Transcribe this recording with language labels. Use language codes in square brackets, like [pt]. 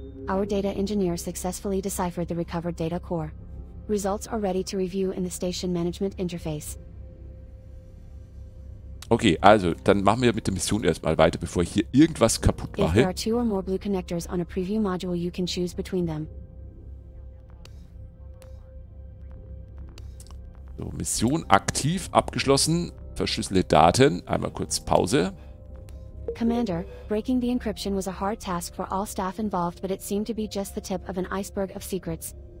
[en] Our data engineer successfully deciphered the recovered data core. Results are ready to review in the station management interface. [de] Okay, also, dann machen wir mit der Mission erstmal weiter, bevor ich hier irgendwas kaputt mache. [en] If there are two or more blue connectors on a preview module, you can choose between them. [de] So, Mission aktiv abgeschlossen. Verschlüsselte Daten. Einmal kurz Pause. [en] Commander, breaking the encryption was a hard task for all staff involved, but it seemed to be just the tip of an iceberg of secrets.